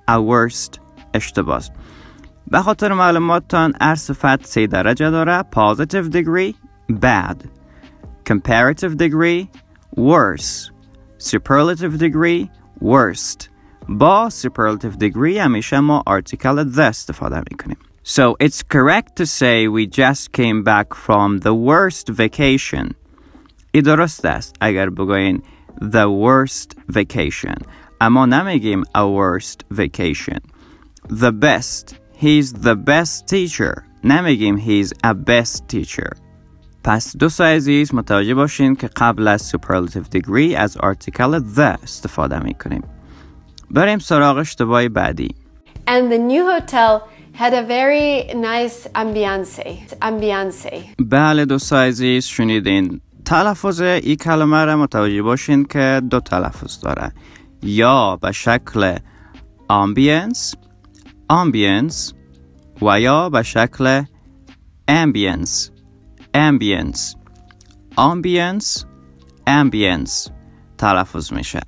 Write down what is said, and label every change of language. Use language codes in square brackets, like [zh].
[fa] a worst اشتباه. به خاطر معلوماتتان، هر صفت 3 درجه داره: [en] positive degree bad، comparative degree worse، superlative degree worst. [fa] با superlative degree همیشه ما آرتیکل the استفاده میکنیم. [en] So it's correct to say we just came back from the worst vacation. [fa] ای درست است اگر بگوین [en] the worst vacation. [fa] اما نمیگیم [en] a worst vacation. The best. He's the best teacher. [fa] نمیگیم [en] he's a best teacher. [fa] پس دوست عزیز متوجه باشین که قبل از superlative degree از آرتیکل the استفاده میکنیم. بریم سراغ اشتباه بعدی. [en] And the new hotel had a very nice ambiance. Ambiance. [fa] بله دوست عزیز، شنیدین. تلفظ این کلمه را متوجه باشین که دو تلفظ داره. یا به شکل ambiance، ambiance، و یا به شکل ambience، ambience، ambience، ambience تلفظ میشه.